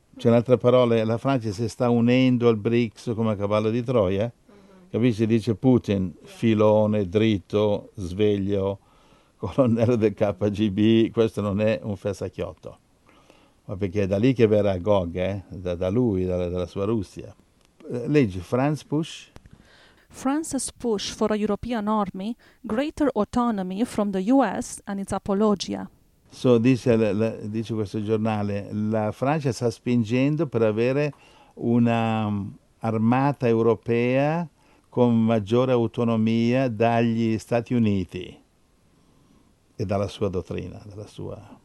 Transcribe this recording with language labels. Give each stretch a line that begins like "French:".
Italian: Cioè, in altre parole, la Francia si sta unendo al BRICS come cavallo di Troia? Capisci? Dice Putin, filone, dritto, sveglio, colonnello del KGB, questo non è un fessacchiotto. Ma perché è da lì che verrà Gog, da lui, dalla sua Russia. Leggi,
English: France push. France's push for a European army, greater autonomy from the US and its apologia.
Italian: So, dice questo giornale, la Francia sta spingendo per avere una armata europea con maggiore autonomia dagli Stati Uniti e dalla sua dottrina, dalla sua.